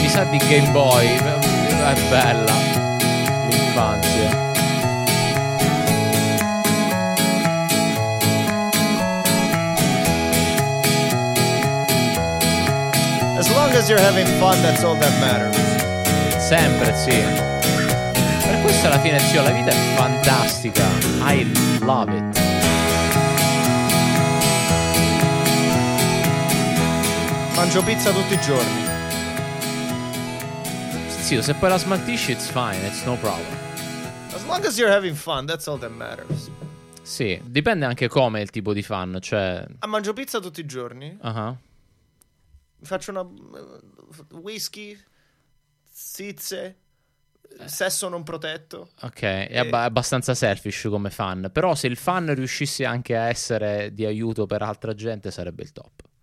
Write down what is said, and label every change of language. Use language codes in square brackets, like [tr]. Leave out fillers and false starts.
[it] Di Game Boy, è bella l'infanzia. [en] As long as you're having fun, that's all that matters. [it] Sempre, sì. Per questo alla fine, zio, la vita è fantastica. [en] I love it. [it] Mangio pizza tutti i giorni. Se poi la smaltisci, [en] it's fine, it's no problem. As long as you're having fun, that's all that matters. [it] Sì, dipende anche come il tipo di fun, cioè... Ah, mangio pizza tutti i giorni? Faccio una... whisky, sizze, sesso non protetto. Ok, è abbastanza selfish come fun. Però se il fun riuscisse anche a essere di aiuto per altra gente, sarebbe il top.